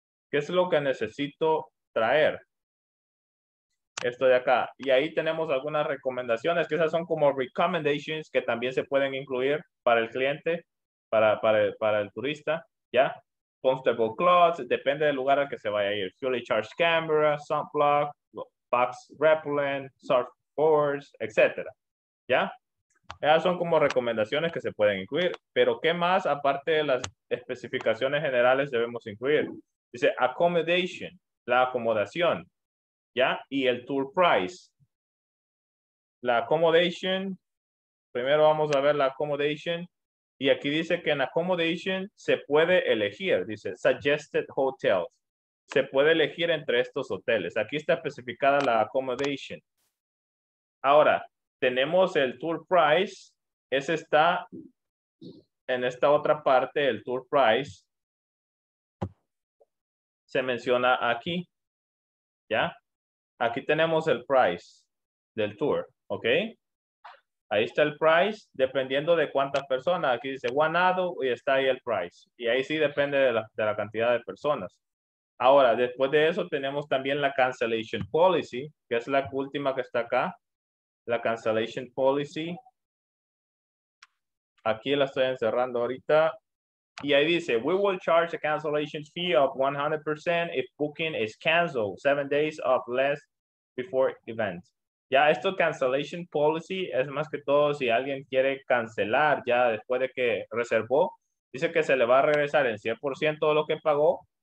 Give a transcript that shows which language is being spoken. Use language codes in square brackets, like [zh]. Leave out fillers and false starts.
[es] ¿Qué es lo que necesito traer? Esto de acá. Y ahí tenemos algunas recomendaciones, que esas son como recommendations que también se pueden incluir para el cliente, para el turista, ¿ya? [en] Comfortable clothes, [es] depende del lugar al que se vaya a ir. [en] Fully charged camera, sunblock, box repellent, surfboards, etc. [es] ¿Ya? Esas son como recomendaciones que se pueden incluir. Pero, ¿qué más aparte de las especificaciones generales debemos incluir? Dice, accommodation, la acomodación, ¿ya? Y el tour price. La accommodation, primero vamos a ver la accommodation. Y aquí dice que en accommodation se puede elegir, dice, [en] suggested hotels. [es] Se puede elegir entre estos hoteles. Aquí está especificada la accommodation. Ahora, tenemos el tour price. Ese está en esta otra parte, el tour price. Se menciona aquí. ¿Ya? Aquí tenemos el price del tour. ¿Ok? Ahí está el price, dependiendo de cuántas personas. Aquí dice [en] one adult [es] y está ahí el price. Y ahí sí depende de la cantidad de personas. Ahora, después de eso, tenemos también la cancellation policy, que es la última que está acá. La cancellation policy. Aquí la estoy encerrando ahorita. Y ahí dice, [en] we will charge a cancellation fee of 100% if booking is canceled 7 days or less before event. [es] Ya, esto cancellation policy es más que todo si alguien quiere cancelar ya después de que reservó. Dice que se le va a regresar el 100% de lo que pagó.